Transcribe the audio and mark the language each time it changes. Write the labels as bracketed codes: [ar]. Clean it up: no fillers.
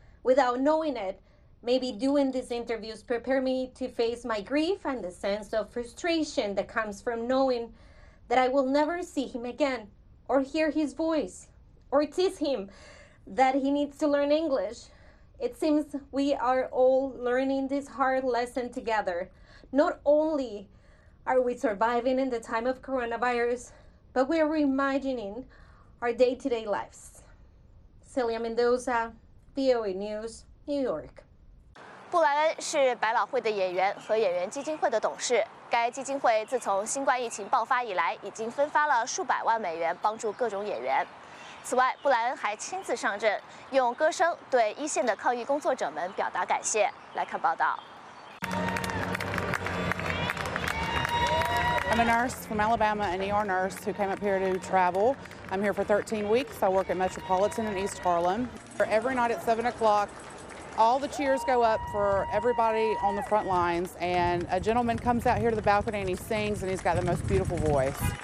[en] Without knowing it, maybe doing these interviews prepare me to face my grief and the sense of frustration that comes from knowingthat I will never see him again, or hear his voice, or tease him that he needs to learn English. It seems we are all learning this hard lesson together. Not only are we surviving in the time of coronavirus, but we are reimagining our day-to-day lives. Celia Mendoza, VOA News, New York. [zh] 布莱恩是百老汇的演员和演员基金会的董事。该基金会自从新冠疫情爆发以来，已经分发了数百万美元帮助各种演员。此外，布莱恩还亲自上阵，用歌声对一线的抗疫工作者们表达感谢。来看报道。 [en] I'm a nurse from Alabama, a New York nurse who came up here to travel. I'm here for 13 weeks. I work at Metropolitan in East Harlem. Every night at 7 o'clock. All the cheers go up for everybody on the front lines, and a gentleman comes out here to the balcony and he sings, and he's got the most beautiful voice.